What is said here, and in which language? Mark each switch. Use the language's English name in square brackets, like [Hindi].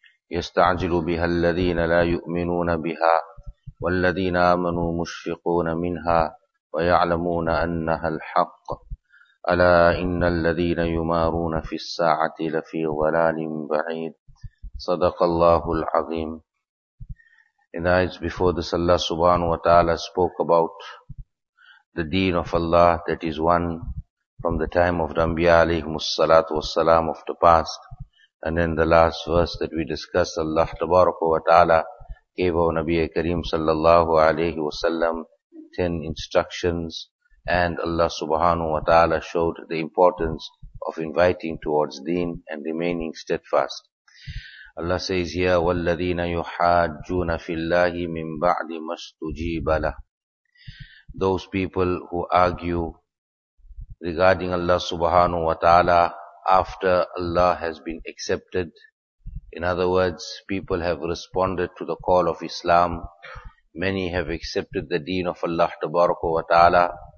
[Arabic] يستعجل بها الذين لا يؤمنون بها والذين آمنوا مشفقون منها ويعلمون أنها الحق. ألا إن الذين يمارون في الساعة لفي ضلال بعيد. صدق الله العظيم. [English] In the eyes before this, Allah subhanahu wa ta'ala spoke about the deen of Allah that is one from the time of the Anbiya alayhim as-salatu was-salam of the past. And in the last verse that we discussed, Allah tabaraka wa ta'ala gave our Nabi Kareem sallallahu alayhi wa sallam 10 instructions, and Allah subhanahu wa ta'ala showed the importance of inviting towards deen and remaining steadfast. Allah says here, [Arabic] وَالَّذِينَ يُحَاجُّونَ فِي اللَّهِ مِن بَعْدِ مَسْتُجِيبَ لَهِ. [English] Those people who argue regarding Allah subhanahu wa ta'ala after Allah has been accepted. In other words, people have responded to the call of Islam. Many have accepted the deen of Allah tabaraka wa ta'ala.